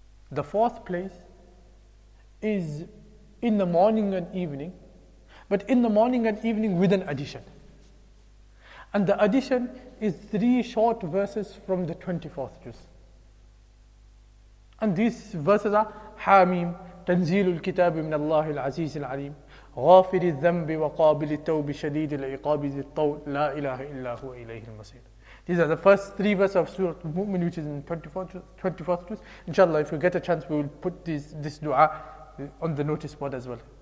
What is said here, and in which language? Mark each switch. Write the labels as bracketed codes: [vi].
[en] The fourth place is in the morning and evening, but in the morning and evening with an addition. And the addition is 3 short verses from the 24th juz. And these verses are Hamim, [ar] تنزيل الكتاب من الله العزيز العليم غافر الذنب وقابل التوب شديد العقاب ذي الطول لا إله إلا هو إليه المصير. [en] These are the first 3 verses of Surah Al-Mu'min, which is in the 24th juz. Inshallah, if we get a chance, we will put this dua on the notice board as well.